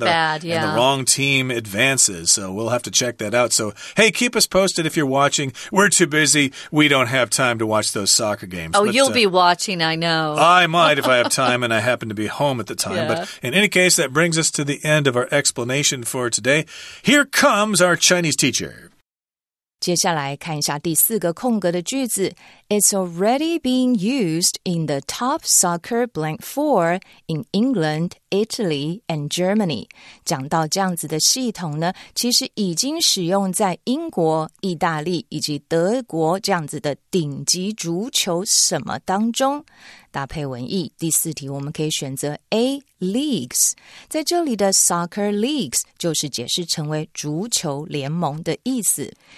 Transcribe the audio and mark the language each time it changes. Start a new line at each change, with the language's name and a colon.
English: And the wrong team advances. So we'll have to check that out. So, hey, keep us posted if you're watching. We're too busy. We don't have time to watch those soccer games. Oh, but you'll be watching, I know. I might if I have time and I happen to be home at the time. But in any case, that brings us to the end of our explanation for today. Here comes our Chinese teacher.
Chinese: 接下来看一下第四个空格的句子。
English: It's already being used in the top soccer blank four in England, Italy, and Germany.
Chinese: 讲到这样子的系统呢，其实已经使用在英国、意大利以及德国这样子的顶级足球什么当中。搭配文意，第四题我们可以选择 A, leagues. 在这里的 soccer leagues 就是解释成为足球联盟的意思。